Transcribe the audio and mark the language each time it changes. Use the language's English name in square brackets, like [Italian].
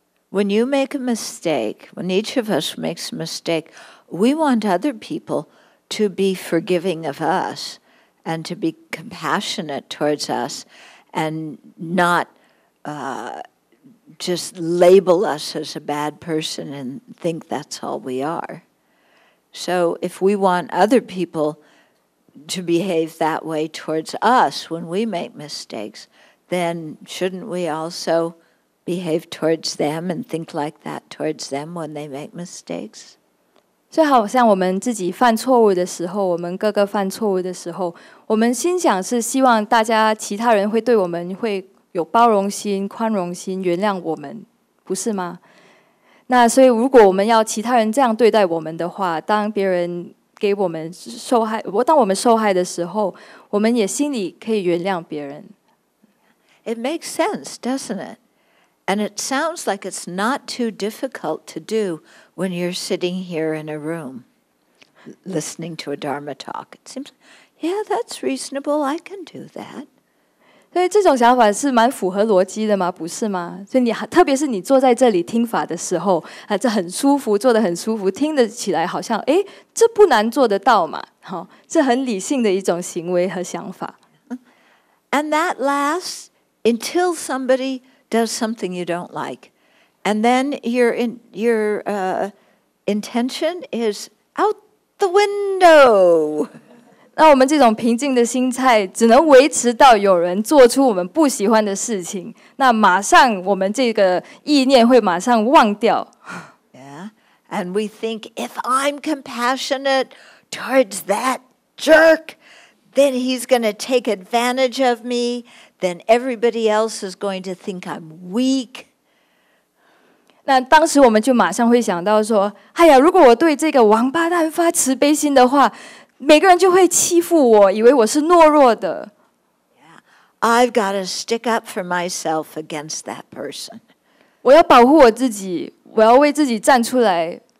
[English] When you make a mistake, when each of us makes a mistake, we want other people to be forgiving of us and to be compassionate towards us and not just label us as a bad person and think that's all we are. So if we want other people to behave that way towards us when we make mistakes, then shouldn't we also behave towards them and think like that towards them when they make mistakes? [Chinese] 就好像我们自己犯错误的时候，我们各个犯错误的时候，我们心想是希望大家其他人会对我们会有包容心、宽容心，原谅我们，不是吗？那所以，如果我们要其他人这样对待我们的话，当别人给我们受害，当我们受害的时候，我们也心里可以原谅别人。 [English] It makes sense, doesn't it? And it sounds like it's not too difficult to do when you're sitting here in a room listening to a Dharma talk. It seems, yeah, that's reasonable, I can do that. [Chinese] 所以这种想法是蛮符合逻辑的嘛，不是吗？所以你特别是你坐在这里听法的时候啊，这很舒服，坐得很舒服，听得起来好像哎，这不难做得到嘛，好，这很理性的一种行为和想法。 [English] And that lasts until somebody does something you don't like, and then your intention is out the window. [Chinese] 那我们这种平静的心态只能维持到有人做出我们不喜欢的事情，那马上我们这个意念会马上忘掉。 [English] Yeah, and we think, if I'm compassionate towards that jerk, then he's going to take advantage of me, then everybody else is going to think I'm weak. [Chinese] 那当时我们就马上会想到说，哎呀，如果我对这个王八蛋发慈悲心的话，每个人就会欺负我，以为我是懦弱的。 [English] Yeah, I've got to stick up for myself against that person. [Chinese] 我要保护我自己，我要为自己站出来。